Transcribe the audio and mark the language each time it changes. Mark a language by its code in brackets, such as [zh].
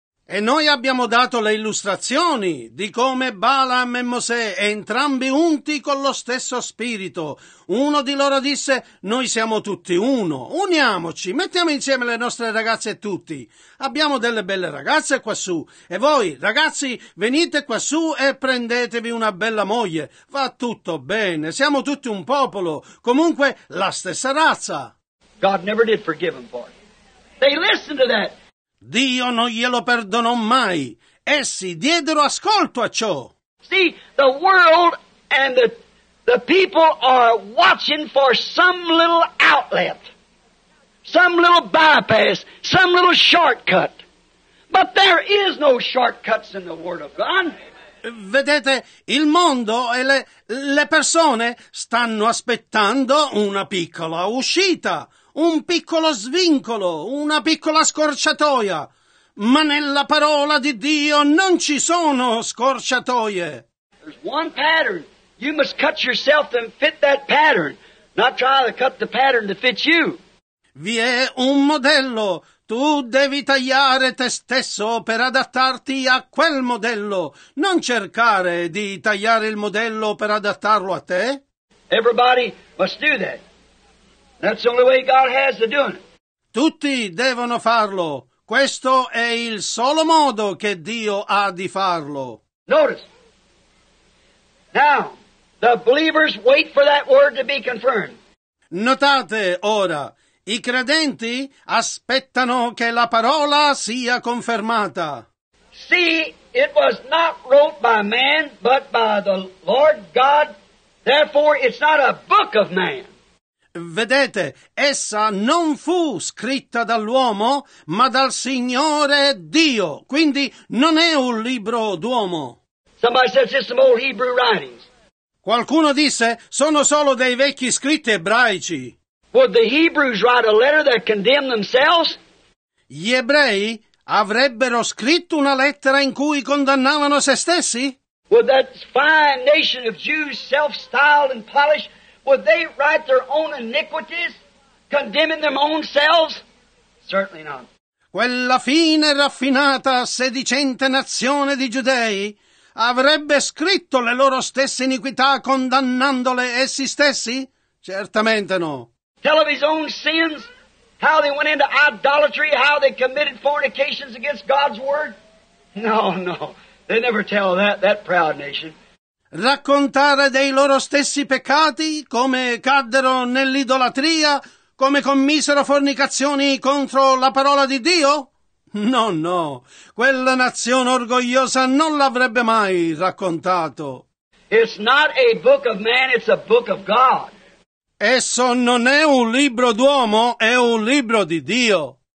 [it] E noi abbiamo dato le illustrazioni di come Balaam e Mosè, entrambi unti con lo stesso spirito. Uno di loro disse, noi siamo tutti uno, uniamoci, mettiamo insieme le nostre ragazze tutti. Abbiamo delle belle ragazze quassù, e voi, ragazzi, venite quassù e prendetevi una bella moglie. Va tutto bene, siamo tutti un popolo, comunque la stessa razza. [en] God never did forgive them for it. They listened to that. [it] Dio non glielo perdonò mai. Essi diedero ascolto a ciò. [en] See, the world and the people are watching for some little outlet, some little bypass, some little shortcut. But there is no shortcuts in the Word of God. [it] Vedete, il mondo e le persone stanno aspettando una piccola uscita, un piccolo svincolo, una piccola scorciatoia. Ma nella parola di Dio non ci sono scorciatoie. [en] There's one pattern. You must cut yourself and fit that pattern, not try to cut the pattern to fit you. [it] Vi è un modello. Tu devi tagliare te stesso per adattarti a quel modello. Non cercare di tagliare il modello per adattarlo a te. [en] Everybody must do that. That's the only way God has to do it. [it] Tutti devono farlo. Questo è il solo modo che Dio ha di farlo. [en] Notice. Now, the believers wait for that word to be confirmed. [it] Notate ora. I credenti aspettano che la parola sia confermata. [en] See, it was not wrote by man, but by the Lord God. Therefore, it's not a book of man. [it] Vedete, essa non fu scritta dall'uomo, ma dal Signore Dio. Quindi non è un libro d'uomo. [en] Somebody says it's some old Hebrew writings. [it] Qualcuno disse, sono solo dei vecchi scritti ebraici. [en] Would the Hebrews write a letter that condemned themselves? [it] Gli ebrei avrebbero scritto una lettera in cui condannavano se stessi? [en] Would that fine nation of Jews, self-styled and polished, would they write their own iniquities, condemning their own selves? Certainly not. [it] Quella fine, raffinata, sedicente nazione di giudei avrebbe scritto le loro stesse iniquità condannandole essi stessi? Certamente no. [en] Tell of his own sins, how they went into idolatry, how they committed fornications against God's word? No, they never tell that proud nation. [it] Raccontare dei loro stessi peccati, come caddero nell'idolatria, come commisero fornicazioni contro la parola di Dio? No, quella nazione orgogliosa non l'avrebbe mai raccontato. [en] It's not a book of man, it's a book of God. [it] Esso non è un libro d'uomo, è un libro di Dio.